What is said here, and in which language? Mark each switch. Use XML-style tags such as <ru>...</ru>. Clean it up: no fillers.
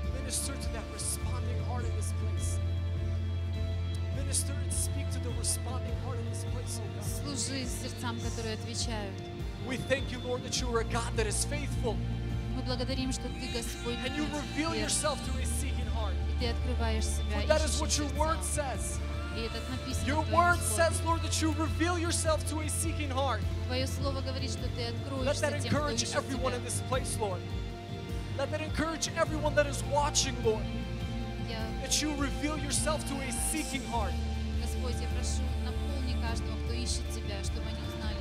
<en>Minister to that responding heart in this place. Minister and speak to the responding heart in this place, O God.</en> <ru>Служи сердцам, которые отвечают.</ru> <en>We thank you, Lord, that you are a God that is faithful.</en> <ru>Мы благодарим, что ты Господь.</ru> <en>And you reveal yourself to a seeking heart.</en> <ru>И ты открываешь себя.</ru> <en>For that is what your word says.</en> <ru>И это написано.</ru> <en>Your word says, Lord, that you reveal yourself to a seeking heart.</en> <ru>Твое слово говорит, что ты откроешься.</ru> <en>Let that encourage everyone in this place, Lord. Let that encourage everyone that is watching, Lord. That you reveal yourself to a seeking heart.</en> <ru>Господь, я прошу, наполни каждого, кто ищет тебя, чтобы они узнали.</ru>